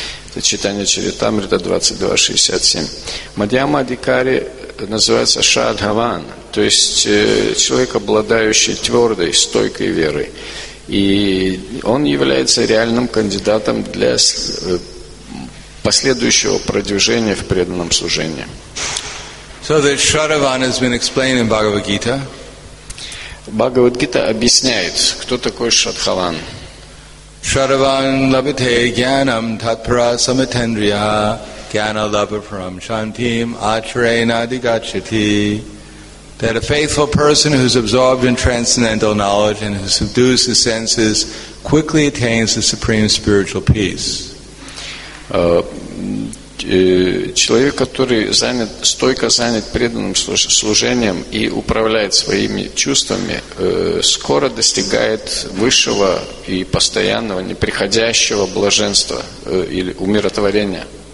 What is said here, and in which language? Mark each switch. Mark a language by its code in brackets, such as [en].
[ru] Это читание Чаритамрита 22.67. Мадьяма-адикари называется шадхаван, то есть человек, обладающий твердой, стойкой верой. И он является реальным кандидатом для последующего продвижения в преданном служении. [en] So the Shravan has been explained in Bhagavad Gita. [ru] Bhagavad Gita объясняет, кто такой Шадхаван. [sa] Shravan labhate gyanam tatpara samatendriya gyana labhapuram shantim acharena adigacchati. [en] That a faithful person who is absorbed in transcendental knowledge and who subdues his senses quickly attains the supreme spiritual peace. [ru] Человек, который занят, стойко занят преданным служением и управляет своими чувствами, скоро достигает высшего и постоянного, неприходящего блаженства или умиротворения.